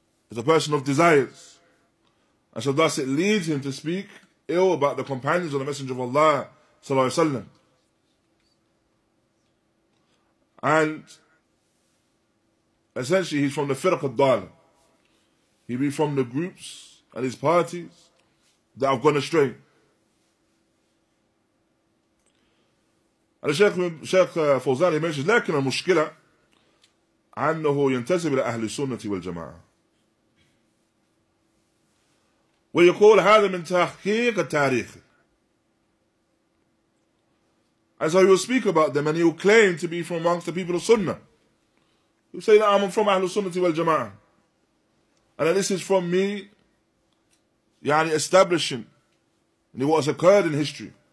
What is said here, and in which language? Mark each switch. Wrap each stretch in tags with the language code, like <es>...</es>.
<en>Is a person of desires. And so thus it leads him to speak ill about the companions of the Messenger of Allah, sallallahu alayhi wa sallam. And essentially he's from the firq al-dal. He be from the groups and his parties that have gone astray. And Shaykh Fawzan, he mentions,</en> <ar>لكن المشكلة أنه ينتسب إلى أهل السنة والجماعة. ويقول هذا من تحقيق التاريخ.</ar> <en>And so he will speak about them and he will claim to be from amongst the people of Sunnah. He will say that I'm from</en> <ar>أهل السنة والجماعة.</ar> <en>And that this is from me, يعني establishing what has occurred in history.</en>